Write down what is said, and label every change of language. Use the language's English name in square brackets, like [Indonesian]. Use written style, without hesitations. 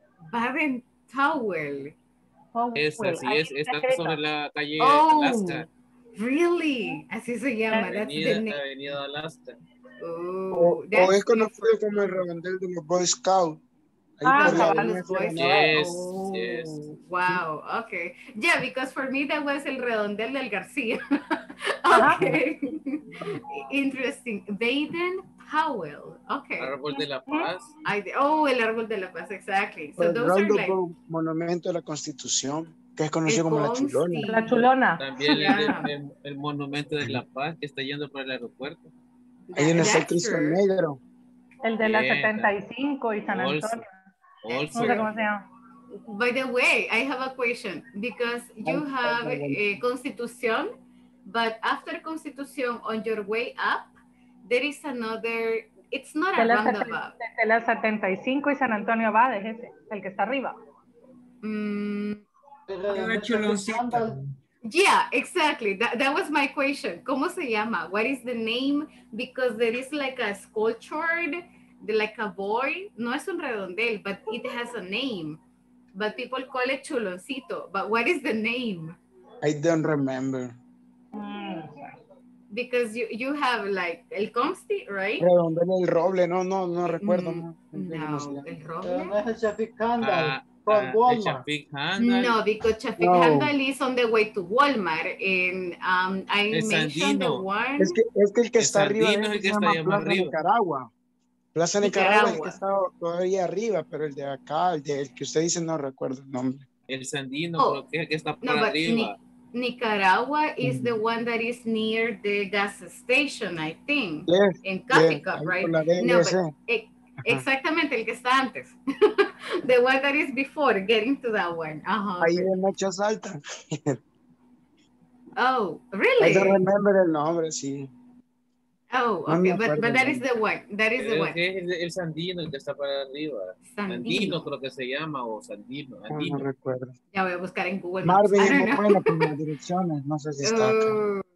[Spanish] Baden-Powell. Es así, es sobre la calle Alaska. Really? Así se llama. Avenida Alaska. Oh, es conocido como el redondel de los Boy Scouts. Ah, los Boy Scouts. [English] Yes, oh, yes. Wow, okay. Yeah, because for me that was el redondel del García. Okay. Interesting. Baden Powell. Okay. [Spanish] Árbol de la Paz. [English] El Árbol de la Paz, exactly. So those are like... [Spanish] Monumento de la Constitución. Que es conocido como la Chulona. La Chulona. También yeah. el monumento de La Paz que está yendo por el aeropuerto. Ahí en el Cristo Negro. El de la 75 y San Antonio. [English] Also. [Spanish] No sé cómo se llama. [English] By the way, I have a question. Because you have Constitución, but after Constitución, on your way up, there is another, it's not a roundabout. [Spanish] De la 75 y San Antonio Abad, es ese, el que está arriba. [English] Yeah, exactly. That was my question. ¿Cómo se llama? What is the name? Because there is like a sculptured, like a boy. No es un redondel, but it has a name. But people call it Chuloncito. But what is the name? I don't remember. Because you have like El Consti, right? [Spanish] Redondel El Roble. No recuerdo. No, El Roble. No es Chapi Candle. [English] No, because Chapin Handal is on the way to Walmart. And I mentioned Sandino. The one. [Spanish] Es que el que está arriba es el que está llamado arriba. Nicaragua. Plaza Nicaragua es el que está todavía arriba, pero el de acá, el que usted dice, no recuerdo el nombre. El Sandino, creo que es el que está por arriba. [English] Nicaragua is the one that is near the gas station, I think. Yes, in Cafica, yes, right? No, but [Spanish] exactamente, el que está antes. [English] The one that is before, getting to that one. Uh-huh. [Spanish] Ahí en Ocho Salta. [English] Oh, really? I don't remember el nombre, sí. Oh, okay, no, but that is the one. That is the one. [Spanish] Es el Sandino, el que está para arriba. Sandino creo que se llama, o Sandino. Sandino. No recuerdo. Ya voy a buscar en Google. Marvin, no puedo con las direcciones, no sé si está acá.